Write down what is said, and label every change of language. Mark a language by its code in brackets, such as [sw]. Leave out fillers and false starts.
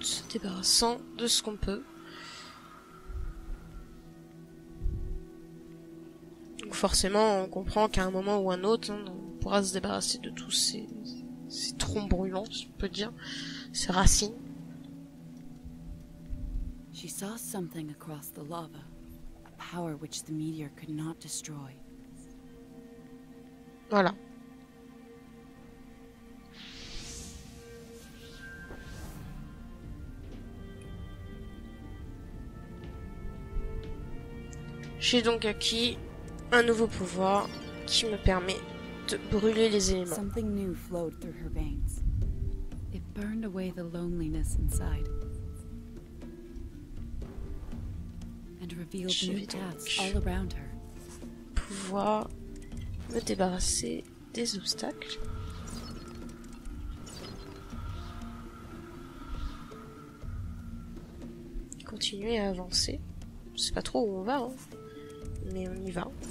[fr] Débarrassant de ce qu'on peut. Donc forcément, on comprend qu'à un moment ou un autre, on pourra se débarrasser de tous ces troncs brûlants, si on peut dire, ces racines. [en] She saw something across the lava, a power which the meteor could not destroy. [fr] Voilà. J'ai donc acquis un nouveau pouvoir qui me permet de brûler les éléments. [en] Something new flowed through her veins. It burned away the loneliness inside. And revealed new paths all around her. [fr] Pouvoir me débarrasser des obstacles. Continuer à avancer. Je sais pas trop où on va, hein. Mais on y va.